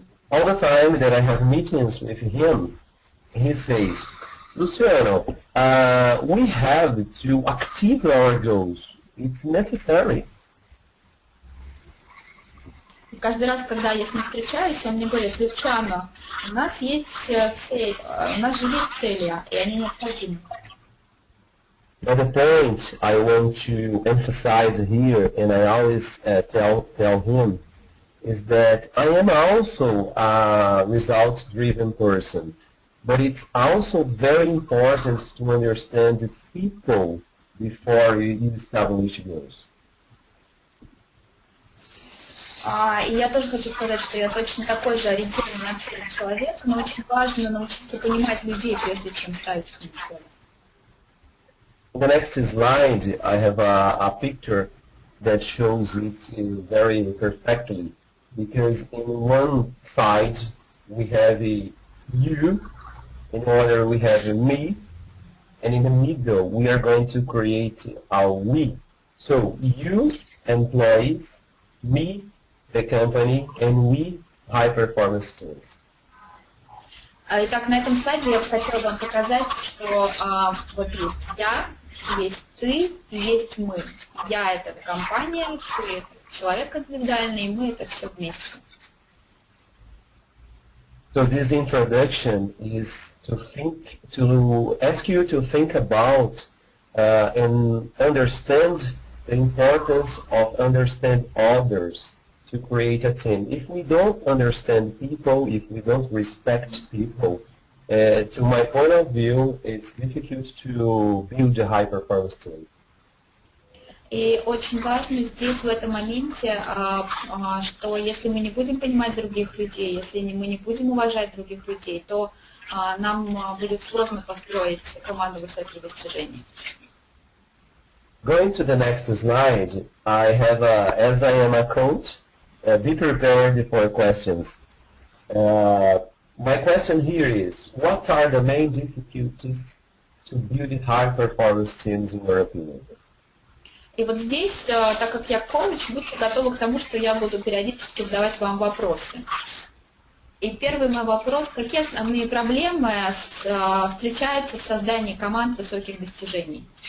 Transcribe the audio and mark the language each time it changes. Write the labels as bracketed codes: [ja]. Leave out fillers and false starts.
[en] All the time that I have meetings with him, he says, Luciano, we have to achieve our goals. It's necessary. [ru] Каждый раз, когда я с ним встречаюсь, он мне говорит, Люцьяно, у нас есть цель, у нас же есть цели, и они необходимы. [en] But the point I want to emphasize here, and I always tell him, is that I am also a results-driven person. But it's also very important to understand the people before you establish goals. [ru] И я тоже хочу сказать, что я точно такой же ориентированный на цель человек, но очень важно научиться понимать людей, прежде чем ставить им цель. [en] The next slide, I have a picture that shows it very perfectly, because in one side we have you, in other we have me, and in the middle we are going to create a we. So you, employees, me, the company, and we, high performance teams. [ru] Итак, на этом слайде я бы хотела вам показать, что вот есть я, есть ты, есть мы. Я – это компания, ты – человек индивидуальный, и мы – это все вместе. [en] So this introduction is to think, to ask you to think about and understand the importance of understand others. To create a team. If we don't understand people, if we don't respect people, to my point of view, it's difficult to build a high-performance team. [ru] И очень важно здесь, в этом моменте, что если мы не будем понимать других людей, если мы не будем уважать других людей, то нам будет сложно построить команду высоких достижений. [en] Going to the next slide, I have, as I am a coach, be prepared for questions. My question here is, what are the main difficulties to build high-performance teams, in your opinion? [ru] И вот здесь, так как я коуч, будьте готовы к тому, что я буду периодически задавать вам вопросы. И первый мой вопрос, какие основные проблемы встречаются в создании команд высоких достижений?